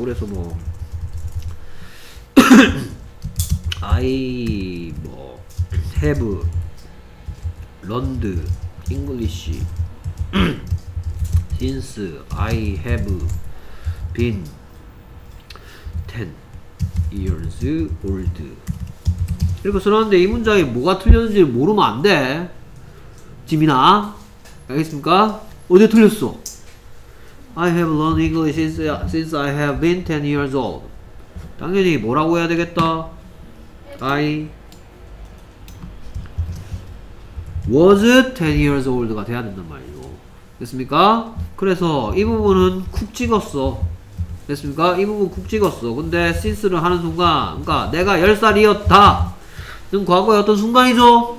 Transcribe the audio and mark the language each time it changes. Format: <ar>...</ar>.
<ko>그래서 뭐</ko> <en>I 뭐 have learned English since I have been 10 years old.</en> <ko>이렇게 써놨는데 이 문장이 뭐가 틀렸는지 모르면 안 돼. 지민아, 알겠습니까? 어디 틀렸어?</ko> <en>I have learned English since I have been 10 years old.</en> <ko>당연히 뭐라고 해야 되겠다?</ko> <en>I was 10 years old가</en> <ko>돼야 된단 말이야. 됐습니까? 그래서 이 부분은 쿡 찍었어. 됐습니까? 이 부분 쿡 찍었어. 근데 since를 하는 순간 그러니까 내가 10살이었다 는 과거의 어떤 순간이죠.</ko>